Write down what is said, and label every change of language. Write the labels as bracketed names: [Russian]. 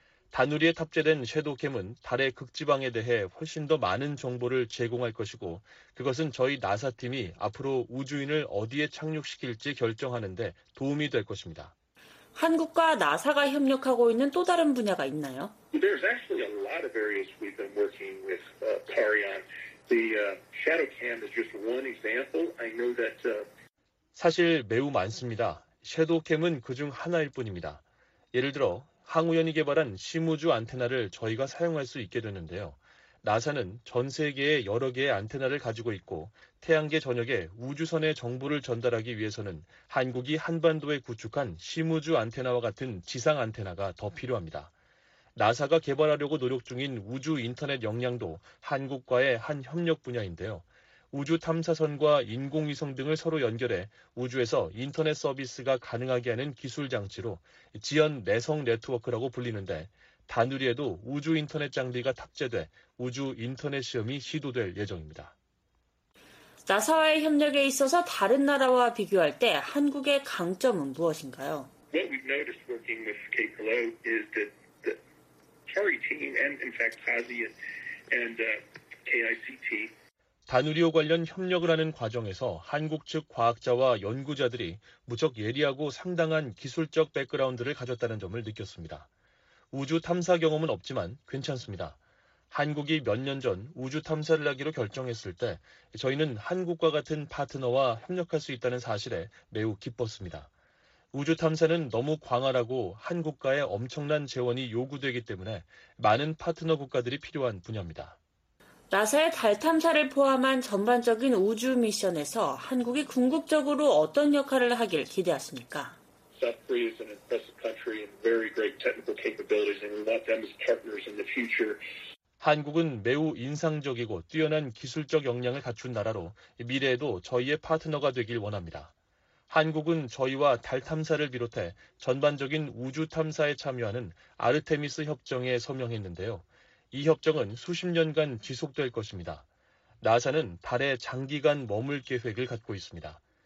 [Korean] 다누리에 탑재된 섀도캠은 달의 극지방에 대해 훨씬 더 많은 정보를 제공할 것이고 그것은 저희 나사팀이 앞으로 우주인을 어디에 착륙시킬지 결정하는 데 도움이 될 것입니다. 한국과 나사가 협력하고 있는 또 다른 분야가 있나요? [English] There's actually a lot of areas we've been working with CARI on. The ShadowCam is just one example. I know that [Korean] 사실 매우 많습니다. 섀도캠은 그중 하나일 뿐입니다. 예를 들어 항우연이 개발한 심우주 안테나를 저희가 사용할 수 있게 되는데요. 나사는 전 세계에 여러 개의 안테나를 가지고 있고 태양계 전역에 우주선의 정보를 전달하기 위해서는 한국이 한반도에 구축한 심우주 안테나와 같은 지상 안테나가 더 필요합니다. 나사가 개발하려고 노력 중인 우주 인터넷 역량도 한국과의 한 협력 분야인데요. 우주 탐사선과 인공위성 등을 서로 연결해 우주에서 인터넷 서비스가 가능하게 하는 기술 장치로 지연 내성 네트워크라고 불리는데 다누리에도 우주 인터넷 장비가 탑재돼 우주 인터넷 시험이 시도될 예정입니다. 나사와의 협력에 있어서 다른 나라와 비교할 때 한국의 강점은 무엇인가요? [English] What we've noticed working with Kekula is that the CARI team and in fact CASI and KICT [Korean] 다누리와 관련 협력을 하는 과정에서 한국 측 과학자와 연구자들이 무척 예리하고 상당한 기술적 백그라운드를 가졌다는 점을 느꼈습니다. 우주 탐사 경험은 없지만 괜찮습니다. 한국이 몇 년 전 우주 탐사를 하기로 결정했을 때 저희는 한국과 같은 파트너와 협력할 수 있다는 사실에 매우 기뻤습니다. 우주 탐사는 너무 광활하고 한국과의 엄청난 재원이 요구되기 때문에 많은 파트너 국가들이 필요한 분야입니다. 나사의 달 탐사를 포함한 전반적인 우주 미션에서 한국이 궁극적으로 어떤 역할을 하길 기대하십니까? [English] South Korea is an impressive country and very great technical capabilities, and we want them as partners in the future. [Korean] 한국은 매우 인상적이고 뛰어난 기술적 역량을 갖춘 나라로 미래에도 저희의 파트너가 되길 원합니다. 한국은 저희와 달 탐사를 비롯해 전반적인 우주 탐사에 참여하는 아르테미스 협정에 서명했는데요. 이 협정은 수십 년간 지속될 것입니다. 나사는 달에 장기간 머물 계획을 갖고 있습니다.